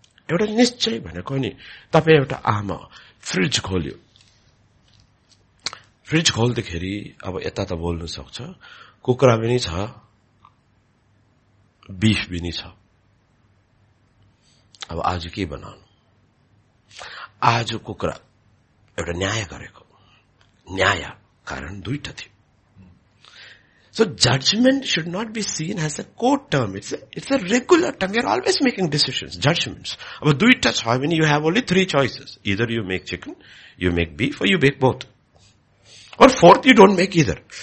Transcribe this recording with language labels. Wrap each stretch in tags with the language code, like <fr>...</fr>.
<ne>एउटा निश्चय भनेको नि, तपाईँ एउटा आमा फ्रिज खोल्यो, फ्रिज खोल्दाखेरि अब यता त बोल्नु सक्छ, कुखुरा पनि छ, बिफ पनि छ, अब आज के बनाउनु? आज कुखुरा एउटा न्याय गरेको, न्याय कारण दुईटा थियो.</ne> <en>So judgement should not be seen as a court term, it's a regular term. You are always making decisions, judgements.</en> <ne>अब दुईटा छ भने</ne> <en>You have only 3 choices, either you make chicken, you make beef, you make both, or fourth you don't make either.</en>